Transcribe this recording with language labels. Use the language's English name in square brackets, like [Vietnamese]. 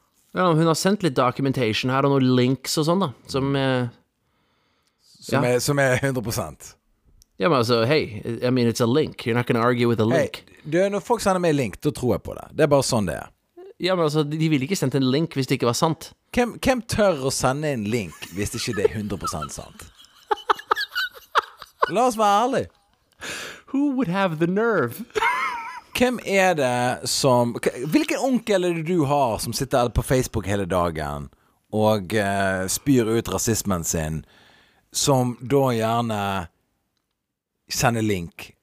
[Norwegian] Ja, hun har sendt litt documentation her og noen links og sånn da, som Som er 100%. Ja, men altså, [English] hey, I mean it's a link. You're not going to argue with a link. [Norwegian] Hey, når folk sender meg link, da tror jeg på det. Det er bare sånn det er. Ja, men altså, de ville ikke sendt en link hvis det ikke var sant. Hvem tør å sende en link hvis det ikke er 100% sant? La oss være ærlig. [English] Who would have the nerve? [Norwegian] Hvem er det som... Hvilken onkel er det du har som sitter på Facebook hele dagen og spyr ut rasismen sin, som da gjerne sender link?